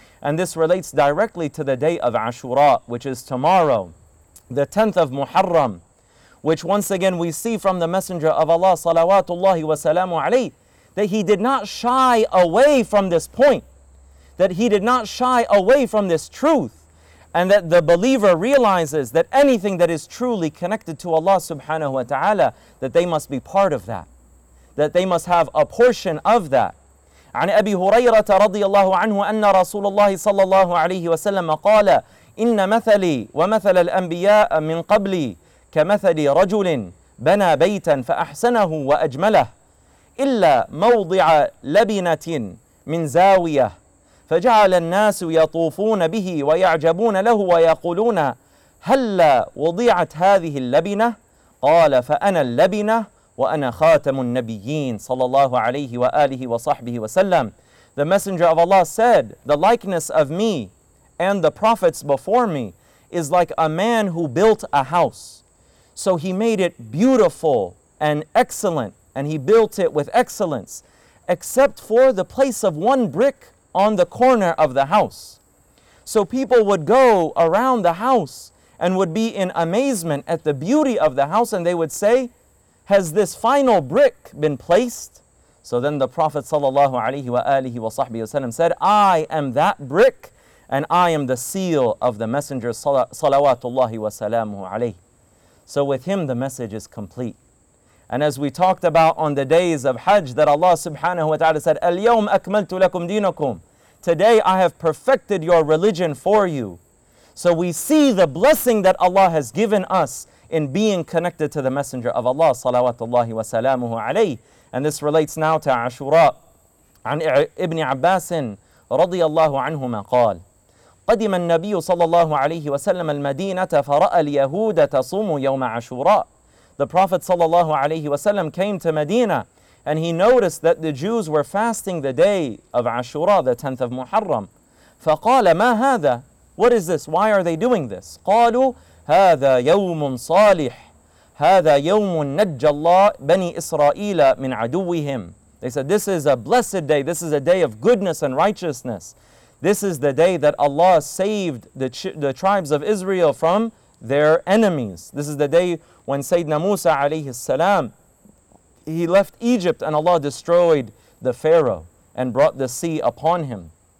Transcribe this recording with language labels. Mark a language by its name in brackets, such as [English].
[English] And this relates directly to the day of Ashura, which is tomorrow, the 10th of Muharram, which once again we see from the Messenger of Allah salawatullahi wa salamu alayhi, that he did not shy away from this point, that he did not shy away from this truth, and that the believer realizes that anything that is truly connected to Allah subhanahu wa ta'ala, that they must be part of that, that they must have a portion of that. [Arabic] عن أبي هريرة رضي الله عنه أن رسول الله صلى الله عليه وسلم قال إن مثلي ومثل الأنبياء من قبلي كمثل رجل بنى بيتا فأحسنه وأجمله إلا موضع لبنة من زاوية فجعل الناس يطوفون به ويعجبون له ويقولون هل وضعت هذه اللبنة؟ قال فأنا اللبنة وأنا خاتم النبيين صلى الله عليه وآله وصحبه وسلم. [English] The Messenger of Allah said, the likeness of me and the prophets before me is like a man who built a house. So he made it beautiful and excellent, and he built it with excellence, except for the place of one brick on the corner of the house. So people would go around the house and would be in amazement at the beauty of the house, and they would say, has this final brick been placed? So then the Prophet sallallahu alaihi wa alihi wa sahbihi wasallam said, I am that brick, and I am the seal of the Messenger salawatullahi wa salamu alayhi. So with him, the message is complete. And as we talked about on the days of Hajj, that Allah subhanahu wa ta'ala said, [Arabic] اليوم أكملت لكم دينكم. [English] Today I have perfected your religion for you. So we see the blessing that Allah has given us in being connected to the Messenger of Allah, salawatullahi wa salamuhu alayhi. And this relates now to Ashura. [Arabic] عن ابن عباس رضي الله عنهما قال قدم النبي صلى الله عليه وسلم المدينة فرأى اليهود تصوم يوم عاشوراء. [English] The Prophet صلى الله عليه وسلم came to Medina, and he noticed that the Jews were fasting the day of Ashura, the 10th of Muharram. [Arabic] فقال ما هذا? [English] What is this? Why are they doing this? [Arabic] قالوا هذا يوم صالح هذا يوم نجى الله بني إسرائيل من عدوهم. [English] They said, this is a blessed day. This is a day of goodness and righteousness. This is the day that Allah saved the tribes of Israel from their enemies. This is the day when Sayyidina Musa alayhi salam, he left Egypt and Allah destroyed the Pharaoh and brought the sea upon him.